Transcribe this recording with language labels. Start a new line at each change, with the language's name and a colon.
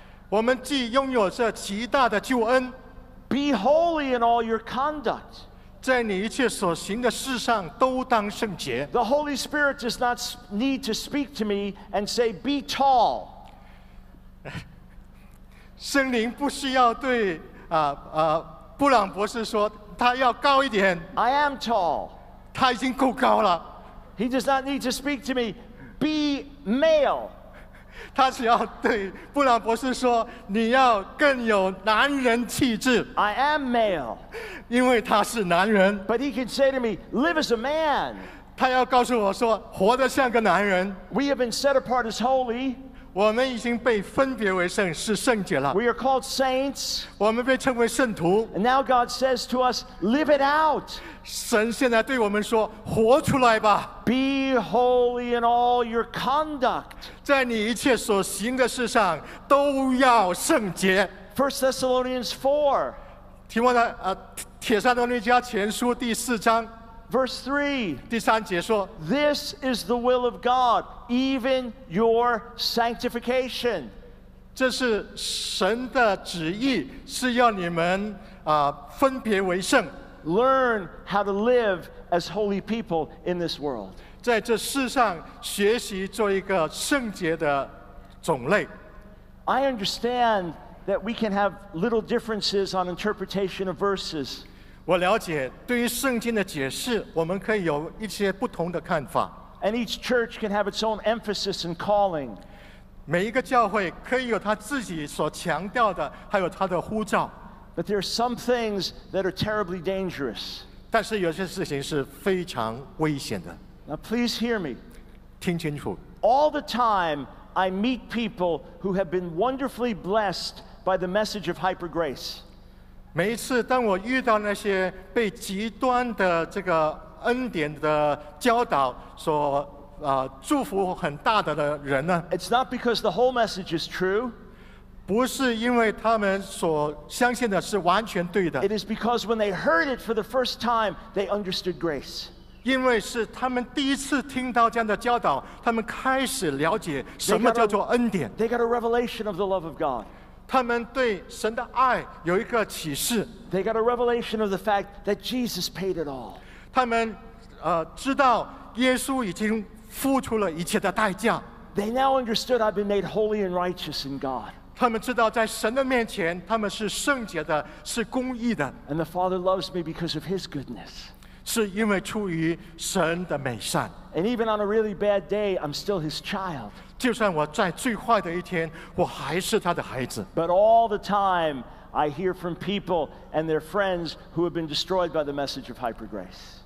Chinese: 我们既拥有这极大的救恩，
English: be holy in all your conduct.
Chinese: 在你一切所行的事上都当圣洁。
English: The Holy Spirit does not need to speak to me and say, be tall.
Chinese: 圣灵不需要对布朗博士说他要高一点。
English: I am tall.
Chinese: 他已经够高了。
English: He does not need to speak to me. Be male.
Chinese: 他只要对布朗博士说，你要更有男人气质。
English: I am male.
Chinese: 因为他是男人。
English: But he can say to me, live as a man.
Chinese: 他要告诉我说，活得像个男人。
English: We have been set apart as holy.
Chinese: 我们已经被分别为圣，是圣洁了。
English: We are called saints.
Chinese: 我们被称为圣徒。
English: And now God says to us, live it out.
Chinese: 神现在对我们说，活出来吧。
English: Be holy in all your conduct.
Chinese: 在你一切所行的事上都要圣洁。
English: First Thessalonians 4.
Chinese: 提摩太帖撒罗尼迦前书第四章。
English: Verse 3.
Chinese: 第三节说。
English: This is the will of God, even your sanctification.
Chinese: 这是神的旨意，是要你们分别为圣。
English: Learn how to live as holy people in this world.
Chinese: 在这世上学习做一个圣洁的种类。
English: I understand that we can have little differences on interpretation of verses.
Chinese: 我了解，对于圣经的解释，我们可以有一些不同的看法。
English: And each church can have its own emphasis and calling.
Chinese: 每一个教会可以有他自己所强调的，还有他的呼召。
English: But there are some things that are terribly dangerous.
Chinese: 但是有些事情是非常危险的。
English: Now please hear me.
Chinese: 听清楚。
English: All the time I meet people who have been wonderfully blessed by the message of hyper grace.
Chinese: 每一次当我遇到那些被极端的这个恩典的教导所祝福很大的人呢？
English: It's not because the whole message is true.
Chinese: 不是因为他们所相信的是完全对的。
English: It is because when they heard it for the first time, they understood grace.
Chinese: 因为是他们第一次听到这样的教导，他们开始了解什么叫做恩典。
English: They got a revelation of the love of God.
Chinese: 他们对神的爱有一个启示。
English: They got a revelation of the fact that Jesus paid it all.
Chinese: 他们知道耶稣已经付出了一切的代价。
English: They now understood I've been made holy and righteous in God.
Chinese: 他们知道在神的面前他们是圣洁的，是公义的。
English: And the Father loves me because of his goodness.
Chinese: 是因为出于神的美善。
English: And even on a really bad day, I'm still his child.
Chinese: 就算我在最坏的一天，我还是他的孩子。
English: But all the time, I hear from people and their friends who have been destroyed by the message of hyper grace.